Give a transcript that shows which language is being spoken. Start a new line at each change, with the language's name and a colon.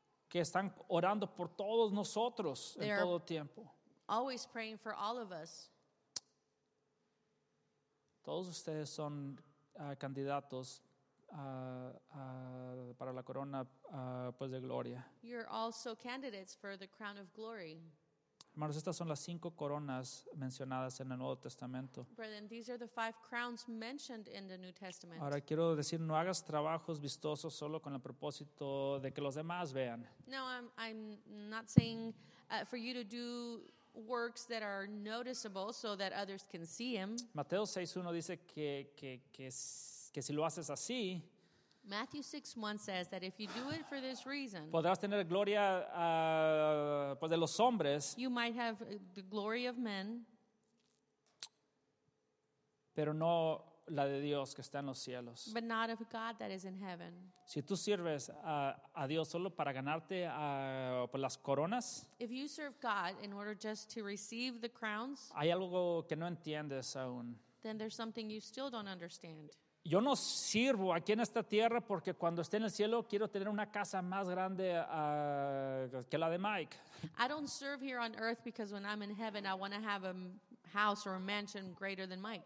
Spanish: Que están orando por todos nosotros en todo tiempo.
English: Always praying for all of us.
Spanish: Todos ustedes son candidatos para la corona pues de gloria.
English: You're also candidates for the crown of glory.
Spanish: Hermanos, estas son las cinco coronas mencionadas en el Nuevo Testamento.
English: Brethren, these are the five crowns mentioned in the New Testament.
Spanish: Ahora quiero decir, no hagas trabajos vistosos solo con el propósito de que los demás vean.
English: No, I'm not saying for you to do works that are noticeable so that others can see him.
Spanish: Mateo 6:1 dice que si lo haces así,
English: Matthew 6:1 says that if you do it for this reason,
Spanish: podrás tener gloria pues de los hombres,
English: you might have the glory of men,
Spanish: pero no la de Dios que está en los cielos.
English: But not of God that is in heaven.
Spanish: Si tú sirves a Dios solo para ganarte por las coronas,
English: if you serve God in order just to receive the crowns,
Spanish: hay algo que no entiendes aún.
English: Then there's something you still don't understand.
Spanish: Yo no sirvo aquí en esta tierra porque cuando esté en el cielo quiero tener una casa más grande que la de Mike.
English: I don't serve here on earth because when I'm in heaven I want to have a house or a mansion greater than Mike's.